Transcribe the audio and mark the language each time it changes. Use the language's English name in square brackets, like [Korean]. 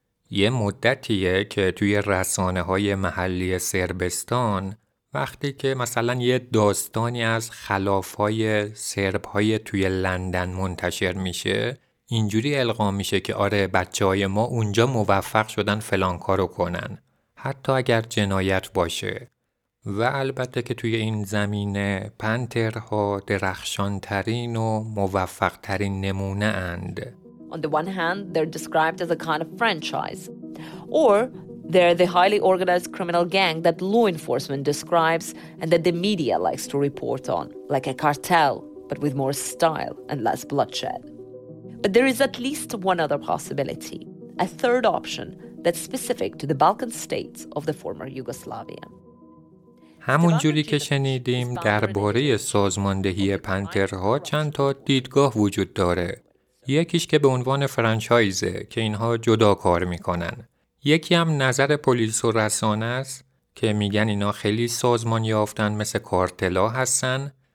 [Persian] یه مدتیه که توی رسانه‌های محلی سربستان وقتی که مثلا یه داستانی از خلافای سربهای توی لندن منتشر میشه، اینجوری القا میشه که آره بچه‌های ما اونجا موفق شدن فلان کارو کنن، حتی اگر جنایت باشه. و البته که توی این زمینه پنترها درخشان ترین و موفق ترین نمونه اند. [English] On the one hand, they're described as a kind of franchise. Or they're the highly organized criminal gang that law enforcement describes and that the media likes to report on, like a cartel, but with more style and less bloodshed. But there is at least one other possibility, a third option that's specific to the Balkan states of the former Yugoslavia. [Persian] همون جوری که شنیدیم درباره سازماندهی پنترها چند تا دیدگاه وجود داره. یکیش که به عنوان فرانچایزه که اینها جدا کار میکنن. یکی هم نظر پلیس و رسانه است که میگن اینا خیلی سازمان یافتن مثل کارتلا هستن